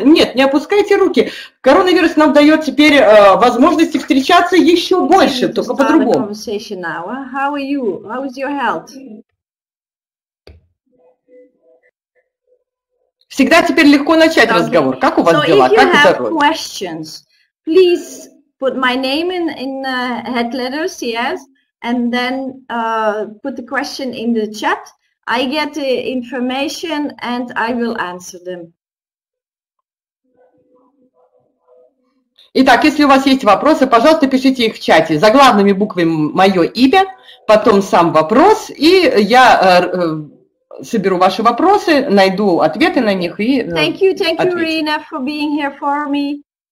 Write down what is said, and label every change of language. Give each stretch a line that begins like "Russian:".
Russian: Нет, не опускайте руки. Коронавирус нам дает теперь возможности встречаться еще больше, только по-другому.
English: How are you? How is your health?
Russian: Всегда теперь легко начать разговор. Как у вас дела? Как здоровье?
English: So if you have questions, please put my name in head letters, yes, and then put the question in the chat. I get the information and I will answer them.
Russian: Итак, если у вас есть вопросы, пожалуйста, пишите их в чате. За главными буквами мое имя, потом сам вопрос, и я соберу ваши вопросы, найду ответы на них и отвечу.
English: Thank you, Rina, for being here for me.